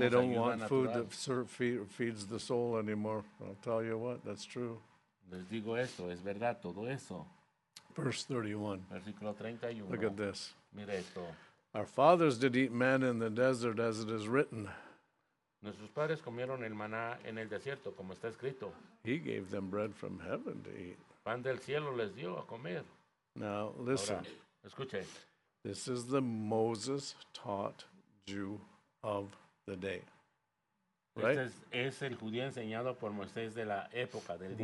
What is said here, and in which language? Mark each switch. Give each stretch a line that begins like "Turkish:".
English: they don't
Spanish: ayuda
English: want
Spanish: natural.
English: Food that feeds the soul anymore. I'll tell you what, that's true.
Spanish: Les digo esto, es verdad, todo eso.
English: Verse 31.
Spanish: Versículo 31.
English: Look at this.
Spanish: Mira esto.
English: Our fathers did eat manna in the desert as it is written.
Spanish: Nuestros padres comieron el maná en el desierto, como está escrito.
English: He gave them bread from heaven to eat.
Spanish: Pan del cielo les dio a comer.
English: Now, listen.
Spanish: Ahora, escuche.
English: This is the Moses-taught Jew of the day. Right?
Spanish: Es el judío enseñado por Moisés de la época, del día.